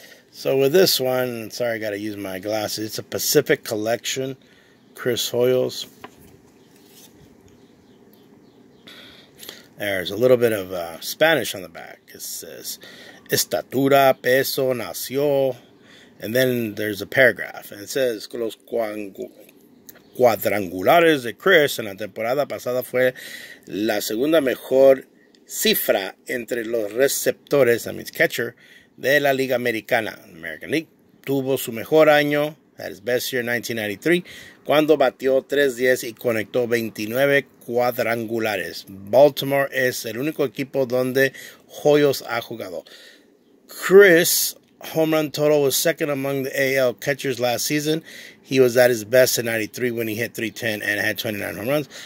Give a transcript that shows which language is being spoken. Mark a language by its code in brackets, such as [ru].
[en] So with this one, sorry, I got to use my glasses. It's a Pacific Collection, Chris Hoiles. There's a little bit of Spanish on the back. It says, [es] Estatura, Peso, Nació. [en] And then there's a paragraph. [es] And it says, Los cuadrangulares de Chris en la temporada pasada fue la segunda mejor cifra entre los receptores, [en] that means catcher, [es] de la Liga Americana, [en] American League, [es] tuvo su mejor año, [en] that is best year, [es] 1993, cuando batió 3-10 y conectó 29 cuadrangulares. Baltimore es el único equipo donde Hoiles ha jugado. [en] Chris' home run total was second among the AL catchers last season. He was at his best in 93 when he hit 310 and had 29 home runs.